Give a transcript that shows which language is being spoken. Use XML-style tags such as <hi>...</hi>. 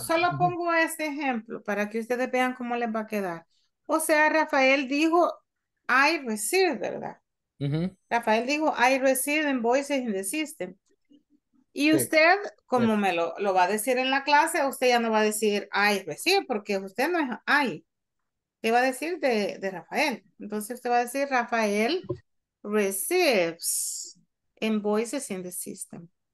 <es>Solo pongo este ejemplo para que ustedes vean cómo les va a quedar. O sea, Rafael dijo,</es> <en>I receive,</en> <es>¿verdad? Uh-huh. Rafael dijo,</es> <en>I receive invoices in the system.</en> <es>Y sí, usted, como sí, me lo va a decir en la clase, usted ya no va a decir,</es> <en>I receive,</en> <es>porque usted no es I. ¿Qué va a decir de Rafael? Entonces usted va a decir,</es> <en>Rafael receives invoices in the system.</en>